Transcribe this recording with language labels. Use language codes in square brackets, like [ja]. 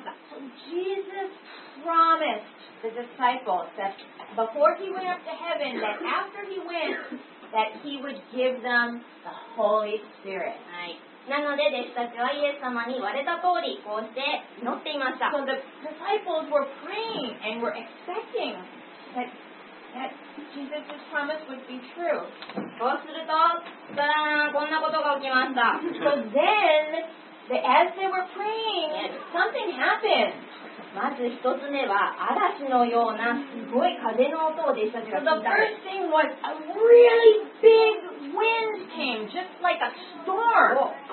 [en] So Jesus promised the disciples that before he went up to heaven, that after he went, that he would give them the Holy Spirit. Right. [ja] なので弟子たちはイエス様に言われた通りこうして祈っていました。 [en] So the disciples were praying and were expecting that Jesus' promise would be true. [ja] そうすると、ダダーン、こんなことが起きました。 [en] So then, as they were praying, something happened. [ja] まず一つ目は嵐のようなすごい風の音を弟子たちが聞いた。 [en] So the first thing was a really big wind came, just like a storm.